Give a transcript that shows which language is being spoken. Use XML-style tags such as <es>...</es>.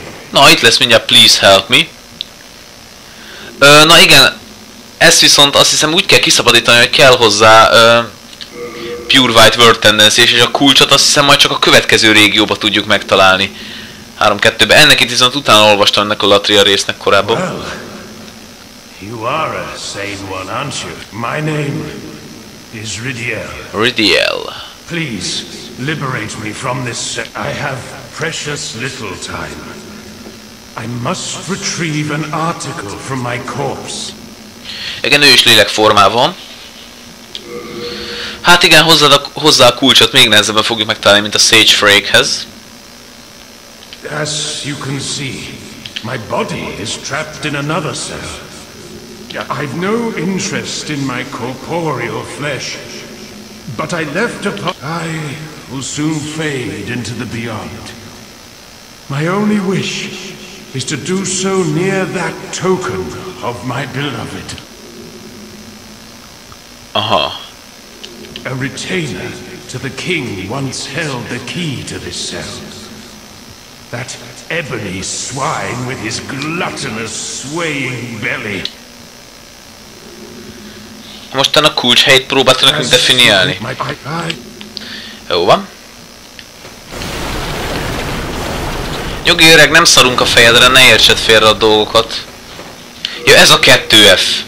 <hu>Na, itt lesz mindjárt,</hu> <en>please help me.</en> <hu>Na igen, ezt viszont azt hiszem úgy kell kiszabadítani, hogy kell hozzá Pure White World Tendency, és a kulcsot azt hiszem majd csak a következő régióba tudjuk megtalálni. 3-2-ben. Ennek itt viszont utána olvastam ennek a Latria résznek korábban.</hu> <en>Well, you are a sane one, aren't you? My name is Ridiel. Ridiel. Please, liberate me from this. I have precious little time. I must retrieve an article from my corpse.</en> <hu>Igen, ő is lélek formában. Hát igen, hozzá a kulcsot még nehezebben fogjuk megtalálni, mint a Sage Frakehez.</hu> <en>As you can see, my body is trapped in another cell. I've no interest in my corporeal flesh, but I left a part. I will soon fade into the beyond. My only wish is to do so near that token of my beloved. Aha. A retainer to the king once held the key to this cell. That ebony swine with his gluttonous swaying belly.</en> <hu>Most a kulcs helyét próbáltam nekünk definiálni. Jó van. Nyugi öreg, nem szarunk a fejedre, ne értsed félre a dolgokat. Jó, ez a 2F.</hu>